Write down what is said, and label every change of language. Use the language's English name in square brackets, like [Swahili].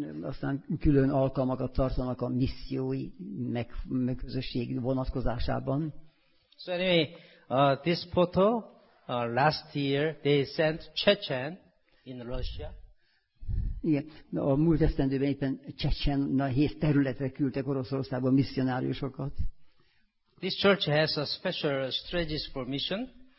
[Hungarian] Aztán külön alkalmakat tartanak a missziói megközösség vonatkozásában. [English] So anyway, this photo, last year, they sent Chechen in Russia. [Hungarian] Igen, a múlt esztendőben éppen Csecsen nehéz területre küldtek Oroszországba misszionáriusokat. [English] This church has a special strategies for mission.